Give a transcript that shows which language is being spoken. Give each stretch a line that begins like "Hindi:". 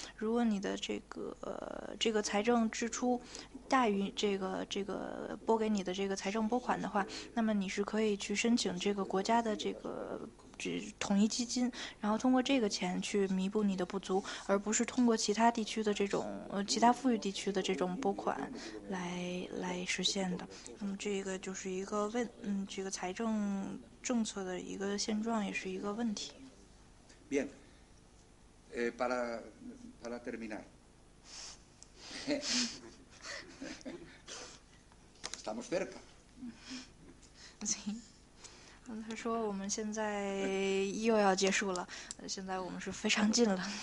Chinese: 如果你的这个财政支出大于这个拨给你的这个财政拨款的话，那么你是可以去申请这个国家的这统一基金，然后通过这个钱去弥补你的不足，而不是通过其他地区的这种其他富裕地区的这种拨款来实现的。这个就是一个问，这个财政政策的一个现状也是一个问题。
Spanish: Bien, para terminar, estamos cerca. Sí.
Chinese: 他说我们现在又要结束了，现在我们是非常近了。